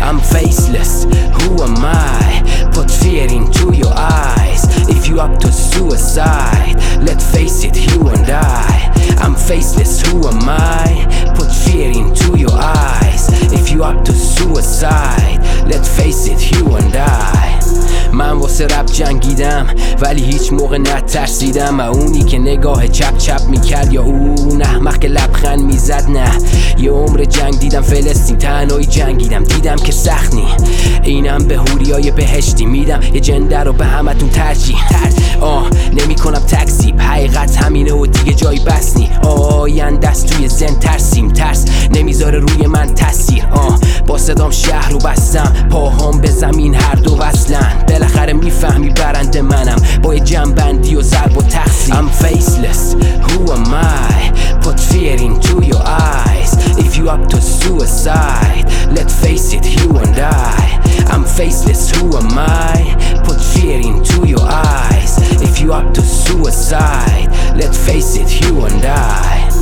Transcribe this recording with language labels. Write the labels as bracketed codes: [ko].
[en] I'm faceless, who am I? Put fear into your eyes. If you up to suicide, let's face it, you and I. I'm faceless, who am I? Put fear into your eyes. If you up to suicide, let's face it, you and I. [fa] من واسه رپ جنگیدم ولی هیچ موقع نترسیدم. و اونی که نگاه چپ چپ میکرد یا اون احمق که لبخند میزد، نه یه عمر جنگ دیدم فلسطین، تنهایی جنگیدم، دیدم که سخت نی. اینم به حوریای بهشتی میدم یه جنده رو به همه تون ترجیح. آه نمی کنم تکذیب، حقیقت همینه و دیگه جای بس نی. آیندست توی زن ترسیم، ترس نمیذاره روی من تاثیر. آه با صدام شهر رو بستم، پاهام به زمین هر دو وصلن. بالاخره میفهمی برنده منم با یه جنبندی و ضرب و تقسیم. [en] I'm faceless, who am I? Put fear into your eyes. If you up to suicide, let's face it, you and I. I'm faceless, who am I? Put fear into your eyes. If you up to suicide, let's face it, you and I.